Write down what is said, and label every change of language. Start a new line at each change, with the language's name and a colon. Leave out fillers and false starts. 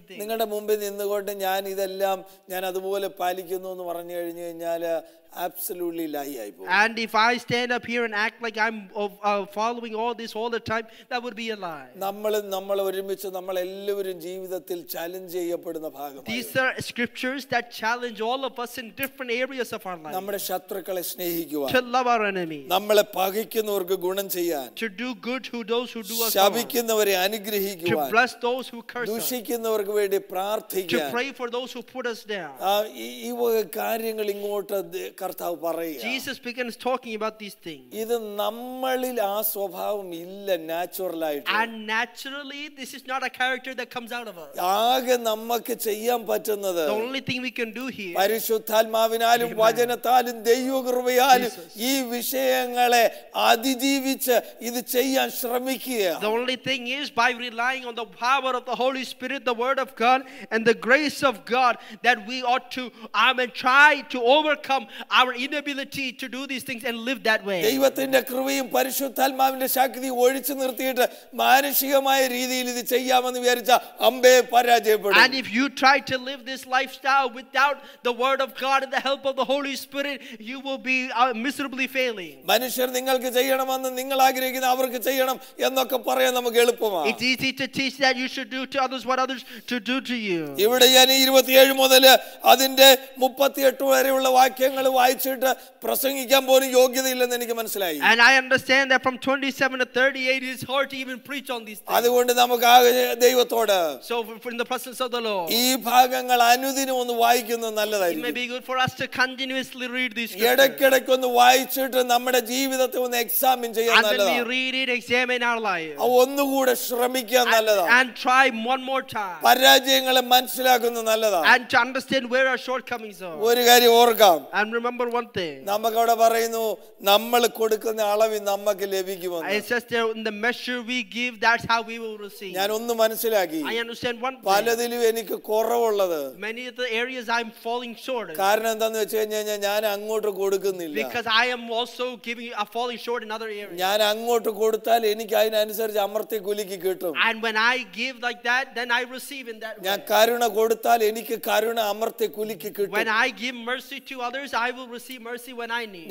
Malayalam: നിങ്ങളുടെ മുമ്പിൽ നിന്നുകൊണ്ട് ഞാൻ ഇതെല്ലാം ഞാൻ അതുപോലെ പാലിക്കുന്നു എന്ന് പറഞ്ഞു കഴിഞ്ഞു കഴിഞ്ഞാൽ
English: Absolutely lie I believe. And if I stand up here and act like I'm following all this all the time that would be a lie.
Malayalam: നമ്മള് ഒരുമിച്ച് നമ്മൾ എല്ലാവരും ജീവിതത്തിൽ ചലഞ്ച് ചെയ്യപ്പെടുന്ന ഭാഗമാണ്.
English: These are scriptures that challenge all of us in different areas of our life.
Malayalam: നമ്മുടെ ശത്രുക്കളെ സ്നേഹിക്കുവാൻ.
English: To love our enemies.
Malayalam: നമ്മളെ പകയ്ക്കുന്നവർക്ക് ഗുണം ചെയ്യാൻ.
English: To do good to those who do us harm.
Malayalam: ശപിക്കുന്നവരെ അനുഗ്രഹിക്കുവാൻ.
English: To bless those who curse us.
Malayalam: ദുഷിക്കുന്നവർക്ക് വേണ്ടി പ്രാർത്ഥിക്കുവാൻ.
English: To pray for those who put us down.
Malayalam: ഈ കാര്യങ്ങൾ ഇങ്ങോട്ട് കർത്താവ് പറയുക
English: Jesus begins talking about these things
Malayalam: ഇത് നമ്മളിൽ ആ സ്വഭാവം ഇല്ല നാച്ചുറൽ ആയിട്ട്
English: And naturally this is not a character that comes out of us
Malayalam: ആകെ നമുക്ക് ചെയ്യാൻ പറ്റുന്നത്
English: The only thing we can do here
Malayalam: പരിശുദ്ധാത്മാവിനാലും വചനത്താലും ദൈവകൃപയാലും ഈ വിഷയങ്ങളെ അതിജീവിച്ച് ഇത് ചെയ്യാൻ ശ്രമിക്കുക
English: The only thing thing is by relying on the power of the Holy Spirit, the word of God, and the grace of God, that we ought to try to overcome our inability to do these things and live that way.
Malayalam: ദൈവത്തിന്റെ കൃപയും പരിശുദ്ധാത്മാവിന്റെ ശക്തിയും ഒഴിച്ചു നിർത്തിയിട്ട് മാനുഷികമായ രീതിയിൽ ഇത് ചെയ്യാമെന്ന് വിചാരിച്ച അമ്പേ പരാജയപ്പെടും.
English: And if you try to live this lifestyle without the word of God and the help of the Holy Spirit, you will be miserably failing.
Malayalam: മനുഷ്യർ നിങ്ങൾക്ക് ചെയ്യണമെന്ന് നിങ്ങൾ ആഗ്രഹിക്കുന്ന അവർക്ക് ചെയ്യണം എന്നൊക്കെ പറയാൻ നമുക്ക് എളുപ്പമാണ്.
English: It is easy to teach that you should do to others what others to do to you.
Malayalam: ഇവിടെ ഞാൻ 27 മുതൽ അതിന്റെ 38 വരെയുള്ള വാക്യങ്ങൾ വായിച്ചിട്ട് പ്രസംഗിക്കാൻ പോലും യോഗ്യതയില്ലെന്ന് എനിക്ക് മനസ്സിലായി.
English: And I understand that from 27 to 38 it is hard to even preach on these things.
Malayalam: അതുകൊണ്ട് നമുക്ക് ദൈവത്തോട്
English: So in the presence of the Lord.
Malayalam: ഈ ഭാഗങ്ങൾ അനുദിനം ഒന്ന് വായിക്കുന്നത് നല്ലതായിരിക്കും.
English: It may be good for us to continuously read these scriptures.
Malayalam: ഇടയ്ക്കിടയ്ക്ക് ഒന്ന് വായിച്ചിട്ട് നമ്മുടെ ജീവിതത്തെ ഒന്ന് എക്സാമിൻ ചെയ്യാൻ നല്ലതാണ്.
English: And then we read it, examine our lives.
Malayalam: അത് ഒന്നുകൂടി ശ്രമിക്കാൻ നല്ലതാണ്.
English: And try one more time.
Malayalam: പരാജയങ്ങളെ മനസ്സിലാക്കുന്നത് നല്ലതാണ്.
English: And to understand where our shortcomings are.
Malayalam: ഒരു കാര്യം ഓർക്കാം.
English: And remember one thing.
Malayalam: നമുക്ക് അവിടെ പറയുന്നു നമ്മൾ കൊടുക്കുന്ന അളവ് നമുക്ക് ലഭിക്കും.
English: It's just in the measure we give, that's how we will receive.
Malayalam: ഞാൻ ഒന്ന് മനസ്സിലാക്കി.
English: I understand one thing.
Malayalam: പലതിലും എനിക്ക് കുറവുള്ളത്.
English: Many of the areas I'm falling short.
Malayalam: കാരണം എന്താണെന്ന് വെച്ച് കഴിഞ്ഞാൽ ഞാൻ അങ്ങോട്ട് കൊടുക്കുന്നില്ല.
English: Because I am also giving a falling short in other areas.
Malayalam: ഞാൻ അങ്ങോട്ട് കൊടുത്താൽ എനിക്ക് അതിനനുസരിച്ച് അമർത്തി കുലുക്കി കിട്ടും.
English: And when I give like that, then I receive in that way.
Malayalam: ഞാൻ കരുണ കൊടുത്താൽ എനിക്ക് കരുണ അമർത്തി കുലുക്കി കിട്ടും.
English: When I give mercy to others, I will receive mercy when I need.